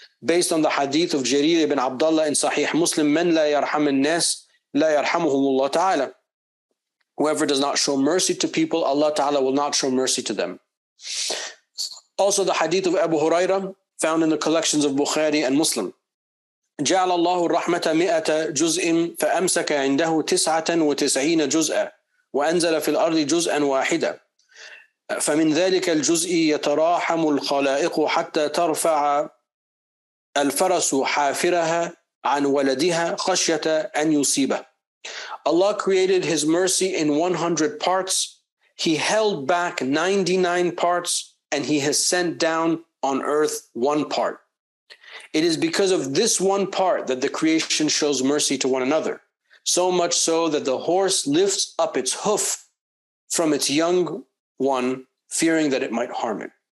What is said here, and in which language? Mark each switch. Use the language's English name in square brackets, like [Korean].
[English] Based on the hadith of Jarir ibn Abdullah in Sahih Muslim, [Arabic] من لا يرحم الناس لا يرحمه الله تعالى. [English] Whoever does not show mercy to people, Allah Ta'ala will not show mercy to them. Also the hadith of Abu Huraira, found in the collections of Bukhari and Muslim. [Arabic] جعل الله الرحمة مئة جزء فأمسك عنده تسعة وتسعين جزءا وأنزل في الأرض جزءا واحدا فمن ذلك الجزء يتراحم الخلائق حتى ترفع الفرس حافرها عن ولدها خشية أن يصيبه. [English] Allah created His mercy in 100 parts. He held back 99 parts, and He has sent down on earth one part. It is because of this one part that the creation shows mercy to one another. So much so that the horse lifts up its hoof from its young one, fearing that it might harm it.